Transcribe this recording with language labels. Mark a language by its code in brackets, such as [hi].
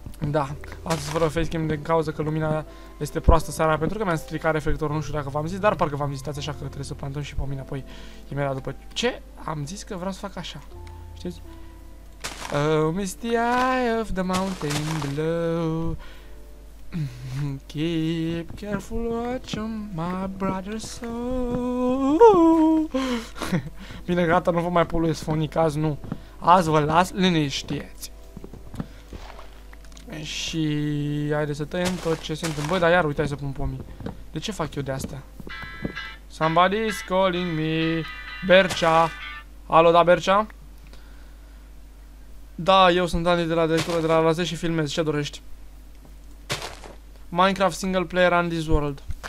[ro] Da, astăzi fără facecam din cauza că lumina este proastă seara pentru că mi-am stricat reflectorul, nu știu dacă v-am zis, dar parcă v-am zis, stați așa că trebuie să plantăm și pe mine apoi imediat după. Ce? Am zis că vreau să fac așa, știți? [en] Oh, misty eye of the mountain below, keep careful watch on my brother's soul. [ro] Bine, gata, nu vă mai poluiesc fonic azi, nu. Azi vă las liniștieți. Și haide să tăiem tot ce se întâmplă. Băi, dar iar uitai să pun pomii. De ce fac eu de astea? [en] Somebody's calling me. [ro] Bercea. Alo, da, Bercea? Da, eu sunt Andy de la directorul de la Raze și filmez. Ce dorești? [en] Minecraft single player Andy's World.